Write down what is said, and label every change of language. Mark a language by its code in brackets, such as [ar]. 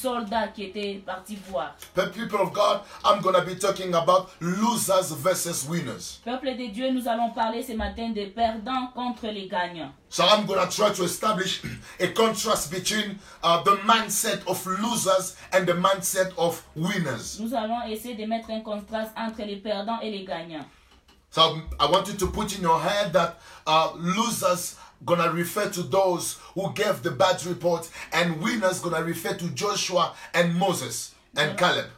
[en] But people of God, I'm gonna be talking about losers versus winners. [fr] Peuple de Dieu, nous allons parler ce matin des perdants contre les gagnants. [en] So I'm gonna try to establish a contrast between the mindset of losers and the mindset of winners. [fr] Nous allons essayer de mettre un contraste entre les perdants et les gagnants. [en] So I want you to put in your head that losers gonna refer to those who gave the bad report, and winners gonna refer to Joshua and Moses and Caleb.